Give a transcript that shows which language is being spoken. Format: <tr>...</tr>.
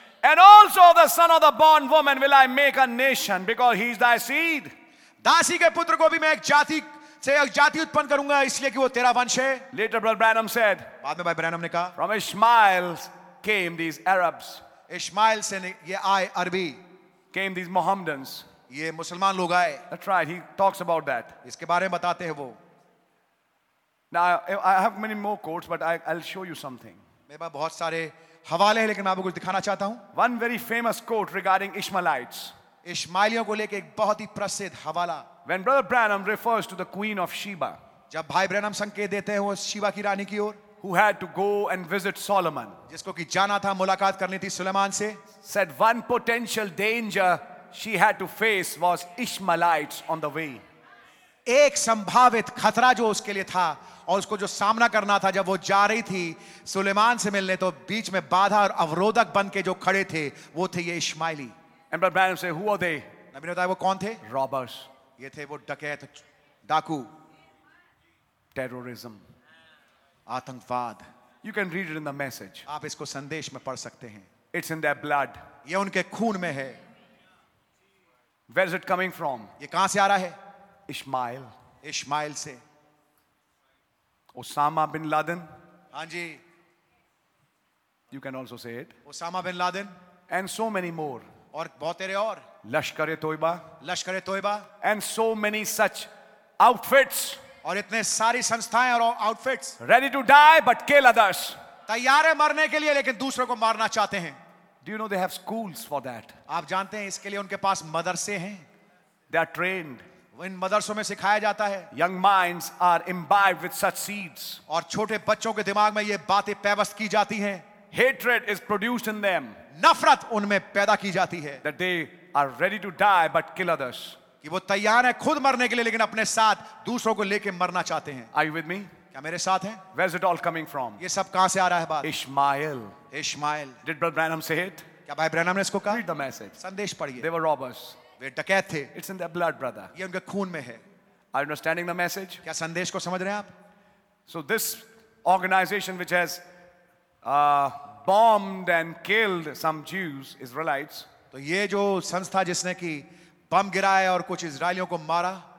<en>And also the son of the bond woman will I make a nation because he is thy seed.</en> <hi>दासी के पुत्र को भी मैं एक जाति से एक जाति उत्पन्न करूंगा इसलिए कि वो तेरा वंश है.</hi> <en>Later Brother Branham said.</en> <hi>बाद में भाई ब्रैनम ने कहा.</hi> <en>From Ishmael came these Arabs.</en> <hi>Ishmael से ये आए अरबी.</hi> <en>Came these Mohammedans.</en> <hi>ये मुसलमान लोग आए.</hi> <en>That's right. He talks about that.</en> <hi>इसके बारे में बताते हैं वो.</hi> <en>Now I have many more quotes, but I'll show you something.</en> <hi>मेरे पास बहुत सारे हवाले हैं, लेकिन मैं आपको कुछ दिखाना चाहता हूँ.</hi> <en>One very famous quote regarding Ishmaelites.</en> <hi>इश्माइलियों को लेकर एक बहुत ही प्रसिद्ध हवाला.</hi> <en>When Brother Branham refers to the Queen of Sheba.</en> <hi>जब भाई ब्रैनम संकेत देते हैं वो शीबा की रानी की ओर.</hi> <en>Who had to go and visit Solomon.</en> <hi>जिसको कि जाना था, मुलाकात करनी थी सुलेमान से.</hi> <en>Said one potential danger she had to face was Ishmaelites on the way.</en> <hi>एक संभावित खतरा जो उसके लिए था और उसको जो सामना करना था जब वो जा रही थी सुलेमान से मिलने, तो बीच में बाधा और अवरोधक बन के जो खड़े थे वो थे ये इश्माइली.</hi> <en>And Brother Branham said, who are they?</en> <hi>नबी ने बताया वो कौन थे?</hi> <en>Robbers.</en> <hi>ये थे वो डकैत, डाकू.</hi> <en>Terrorism.</en> <hi>आतंकवाद.</hi> <en>You can read it in the message.</en> <hi>आप इसको संदेश में पढ़ सकते हैं.</hi> <en>It's in their blood.</en> <hi>ये उनके खून में है.</hi> <en>Where is it coming from?</en> <hi>ये कहां से आ रहा है?</hi> <en>Ishmael.</en> <hi>Ishmael से.</hi> <en>Osama bin Laden.</en> <hi>हाँ जी.</hi> <en>You can also say it.</en> <hi>Osama bin Laden.</hi> <en>And so many more.</en> <hi>और बहुत तेरे और. लश्कर-ए-तोयबा.</hi> <en>And so many such outfits.</en> <hi>और इतने सारी संस्थाएं और outfits.</hi> <en>Ready to die but kill others.</en> <hi>तैयार है मरने के लिए लेकिन दूसरों को मारना चाहते हैं.</hi> <en>Do Do you know they have schools for that?</en> <hi>आप जानते हैं इसके लिए उनके पास मदरसे हैं.</hi> <en>They are trained.</en> <hi>इन मदरसों में सिखाया जाता है.</hi> <en>Young minds are imbibed with such seeds.</en> <hi>और छोटे बच्चों के दिमाग में ये बातें पैवस्त की जाती हैं.</hi> <en>Hatred is produced in them.</en> <hi>नफरत उनमें पैदा की जाती है.</hi> <en>That they are ready to die but kill others.</en> <hi>कि वो तैयार हैं खुद मरने के लिए लेकिन अपने साथ दूसरों को लेके मरना चाहते हैं.</hi> <en>Are you with me?</en> <hi>क्या मेरे साथ हैं?</hi> <en>Where's it all coming from?</en> <hi>ये सब कहाँ से आ रहा है बात?</hi> <en>Ishmael.</en> <hi>Ishmael.</hi> <en>Did Brother Branham say it?</en> <hi>क्या भाई ब्रैनम ने इसको कहा?</hi> <en>Read the message.</en> <hi>संदेश पढ़िए.</hi> <en>They were robbers.</en> <hi>वे डकैत थे.</hi> <en>It's in their blood, brother.</en> <hi>ये उनके खून में है.</hi> <en>Are you understanding the message?</en> <hi>क्या संदेश को समझ रहे हैं आप?</hi> <en>So this organization which has bombed and killed some Jews, Israelites.</en> <hi>तो ये जो संस्था जिसने की बम गिराए और कुछ इसराइलियों को मारा.</hi>